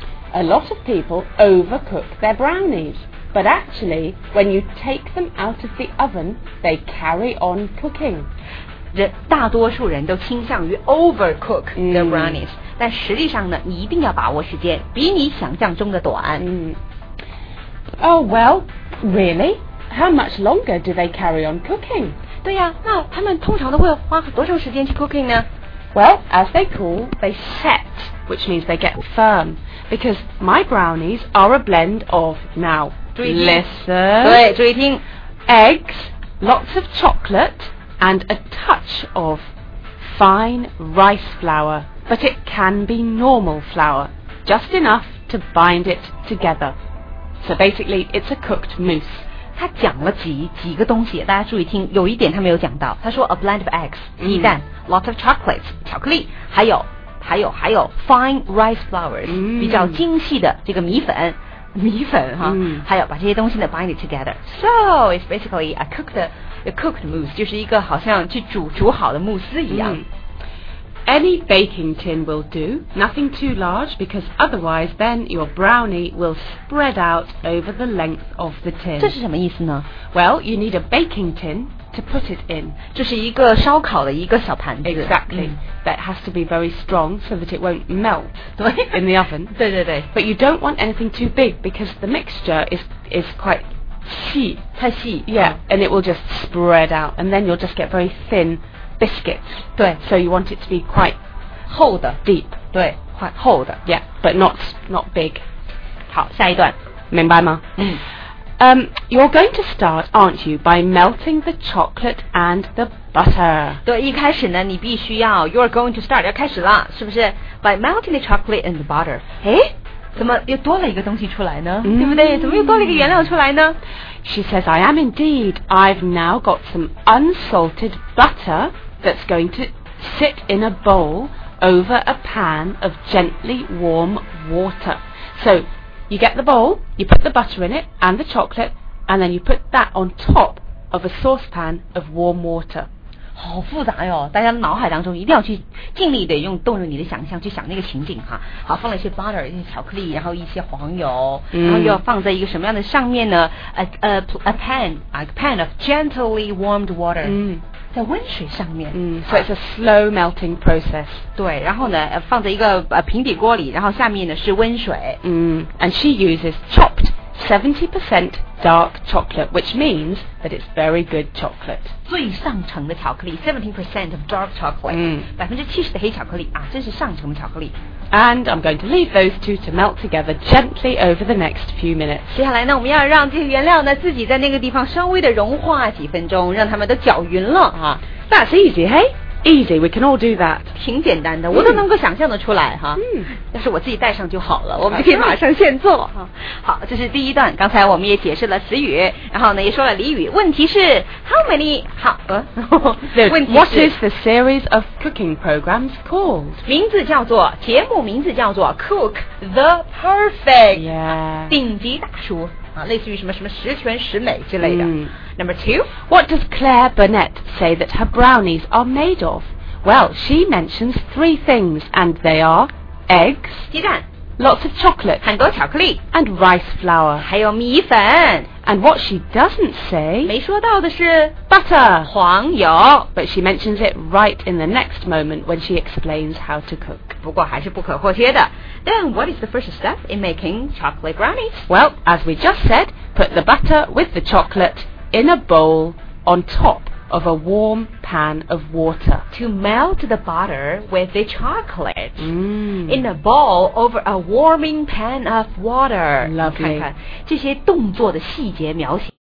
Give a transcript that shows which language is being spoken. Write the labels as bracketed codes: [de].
[en] A lot of people overcook their brownies, but actually, when you take them out of the oven, they carry on cooking. [zh] 大多数人都倾向于 [en] overcook their brownies, [zh] 但实际上呢，你一定要把握时间，比你想象中的短。 [en] Oh, well, really? How much longer do they carry on cooking? [zh] 对呀、啊、那他们通常都会花多长时间去 cooking 呢 [en] Well, as they cool, they set, which means they get firm. Because my brownies are a blend of, now, [zh] 注意听 [en] listen. [zh] 对，注意听 [en] Eggs, lots of chocolate, and a touch of fine rice flour. But it can be normal flour, just enough to bind it together. So basically, it's a cooked mousse. [zh] 他讲了几个东西，大家注意听。有一点他没有讲到，他说 [en] a blend of [zh] eggs, 鸡蛋、 [en] lots of chocolates, [zh] 巧克力，还有 [en] fine rice flour, [zh] 比较精细的这个米粉哈、还有把这些东西呢 [en] bind it together. So it's basically a cooked mousse, [zh] 就是一个好像去煮好的慕斯一样。 [en] Any baking tin will do, nothing too large, because otherwise then your brownie will spread out over the length of the tin. [zh] 这是什么意思呢 [en] Well, you need a baking tin to put it in. [zh] 这是一个烧烤的一个小盘子 [en] Exactly. That has to be very strong so that it won't melt in the oven. [zh] 对对对 [en] But you don't want anything too big because the mixture is quite... [zh] 太细 [en] Yeah,and it will just spread out and then you'll just get very thin biscuits. [zh] 对 [en] So you want it to be quite [zh] 厚的 [en] Deep. [zh] 对 [en] Quite [zh] 厚的 [en] Yeah, but not big. [zh] 好下一段明白吗、嗯、 [en] You're going to start, aren't you, by melting the chocolate and the butter. [zh] 对一开始呢你必须要 [en] You're going to start, [zh] 要开始了是不是 [en] By melting the chocolate and the butter. [zh] 诶怎么又多了一个东西出来呢、对不对怎么又多了一个原料出来呢 [en] She says I am indeed I've now got some unsalted butter That's going to sit in a bowl Over a pan of gently warm water So you get the bowl You put the butter in it And the chocolate And then you put that on top Of a saucepan of warm water [zh] 好复杂哟、哦、大家脑海当中一定要去尽力的用动用你的想象去想那个情景哈好放了一些 butter 一些巧克力然后一些黄油、然后又要放在一个什么样的上面呢 [en] a pan of gently warmed water、 [zh] 在温水上面、 [en] so it's a slow melting process [zh] 对然后呢放在一个、平底锅里然后下面呢是温水、 [en] and she uses chopped 70%Dark chocolate, which means that it's very good chocolate. [zh] 最上乘的巧克力 [en] 70% of dark chocolate, [zh] 70% 的黑巧克力啊，这是上乘的巧克力。 [en] And I'm going to leave those two to melt together gently over the next few minutes. [zh] 接下来呢，我们要让这些原料呢自己在那个地方稍微的融化几分钟，让它们都搅匀了啊。 [en] That's easy, hey? Easy, we can all do that. [zh] 挺简单的，我都能够想象得出来哈。嗯，要是我自己带上就好了，我们就可以马上现做哈。好，这是第一段，刚才我们也解释了词语，然后呢也说了俚语。问题是 [en] how many? [zh] 好，问题是 [en] What is the series of cooking programs called? [zh] 名字叫做节目名字叫做 Cook the Perfect. [en] Yeah. [zh] 顶级大厨啊，类似于什么什么十全十美之类的。 [en] Number two, what does Claire Burnett say that her brownies are made of? Well, she mentions three things, and they are eggs, [zh] 鸡蛋 [en] lots of chocolate, [zh] 很多巧克力 [en] and rice flour, [zh] 还有米粉 [en] And what she doesn't say, [zh] 没说到的是 [en] butter, [zh] 黄油 [en] But she mentions it right in the next moment when she explains how to cook. [zh] 不过还是不可或缺的。 [en] Then what is the first step in making chocolate brownies? Well, as we just said, put the butter with the chocolate in a bowl on top of a warm pan of water. To melt the butter with the chocolate. Mm. In a bowl over a warming pan of water. Lovely. [zh] 看看这些动作的细节描写。